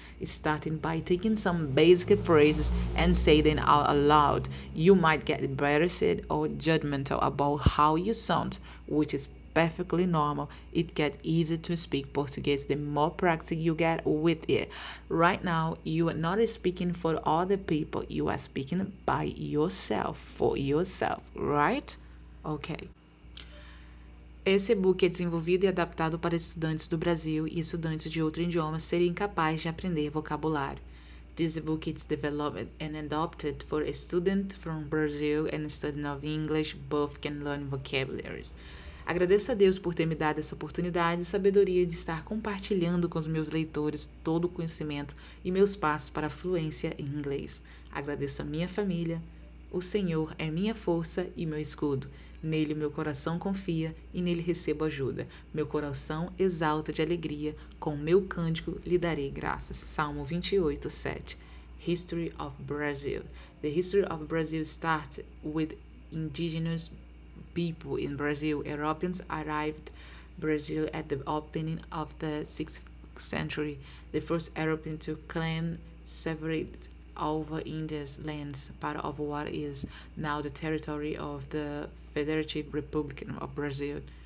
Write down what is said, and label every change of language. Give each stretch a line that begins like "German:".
English: Starting by taking some basic phrases and saying them out aloud, you might get embarrassed or judgmental about how you sound, which is perfectly normal. It gets easier to speak Portuguese the more practice you get with it. Right now, you are not speaking for other people, you are speaking by yourself, for yourself, right? Ok.
Portuguese: Esse e-book é desenvolvido e adaptado para estudantes do Brasil e estudantes de outro idioma serem incapazes de aprender vocabulário.
English: This book is developed and adapted for students from Brazil and students of English, both can learn vocabularies.
Portuguese: Agradeço a Deus por ter me dado essa oportunidade e sabedoria de estar compartilhando com os meus leitores todo o conhecimento e meus passos para a fluência em inglês. Agradeço a minha família. O Senhor é minha força e meu escudo. Nele meu coração confia e nele recebo ajuda. Meu coração exalta de alegria, com meu cântico lhe darei graças. Salmo 28, 7.
English: History of Brazil. The history of Brazil starts with indigenous people in Brazil. Europeans arrived Brazil at the opening of the 6th century. The first European to claim sovereignty over India's lands, part of what is now the territory of the Federative Republic of Brazil.